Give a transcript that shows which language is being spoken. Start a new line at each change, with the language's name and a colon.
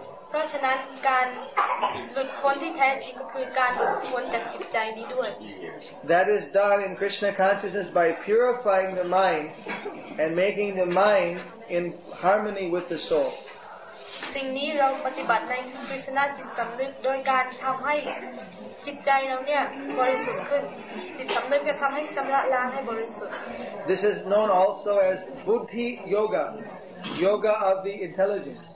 Thai: เพราะฉะนั้นการหลุดพ้นที่แท้จริงก็คือการหลุดพ้นจากจิตใจนี้ด้วย
English: That is done in Krishna consciousness by purifying the mind and making the mind in harmony with the soul.
Thai: สิ่งนี้เราปฏิบัติในคริสตนาจิตสำนึกโดยการทำให้จิตใจเราเนี่ยบริสุทธิ์ขึ้นจิตสำนึกจะทำให้ชำระล้างให้บริสุทธิ์
English: This is known also as Buddhi Yoga, Yoga of the intelligence.